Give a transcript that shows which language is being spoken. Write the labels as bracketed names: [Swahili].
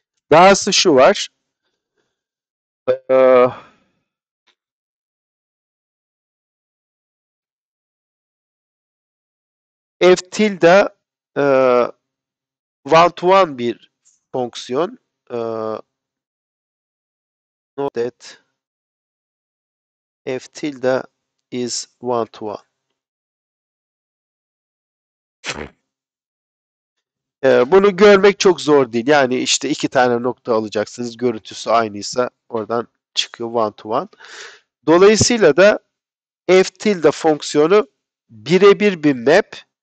[Turkish] Dahası şu var. F tilde one-to-one bir fonksiyon. [English] Note that F tilde is one to one. [Turkish] Bunu görmek çok zor değil. Yani işte iki tane nokta alacaksınız. Görüntüsü aynıysa oradan çıkıyor one to one. Dolayısıyla da f tilde fonksiyonu birebir bir map.